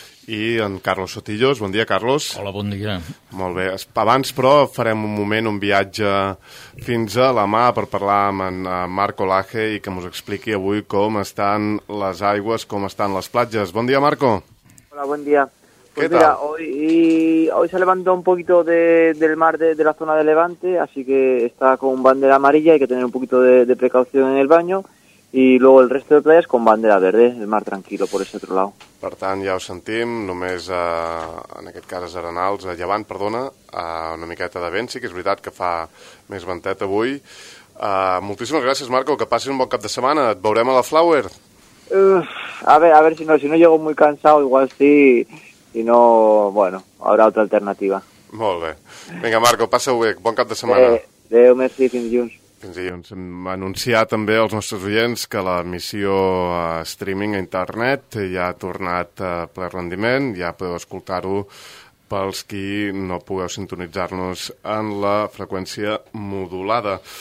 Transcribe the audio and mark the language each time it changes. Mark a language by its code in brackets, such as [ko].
[ca] I en Carlos Sotillos. Bon dia, Carlos. Hola, bon dia. Molt bé. Abans, però, farem un moment, un viatge fins a la mà per parlar amb en Marco Laje i que ens expliqui avui com estan les aigües, com estan les platges. Bon dia, Marco. [es] Hola, buen día. Pues ¿qué mira, tal? Hoy se ha levantado un poquito del mar de la zona de Levante, así que está con bandera amarilla, hay que tener un poquito de precaución en el baño, y luego el resto de playas con bandera verde, el mar tranquilo por ese otro lado. [ca] Per tant, ja ho sentim, només en aquest cas a Arenals, a Llevant, perdona, una miqueta de vent, sí que és veritat que fa més ventet avui. Moltíssimes gràcies, Marco, que passis un bon cap de setmana, et veurem a la Flower. [es] A ver si no llego muy cansado, igual sí, si no, bueno, habrá otra alternativa. [ca] Molt bé. Vinga, Marco, passa bé, bon cap de setmana. Adéu, merci, fins dilluns. Fins dilluns. Hem anunciat també als nostres oients que l'emissió streaming a internet ja ha tornat a ple rendiment, ja podeu escoltar-ho pels qui no pugueu sintonitzar-nos en la freqüència modulada.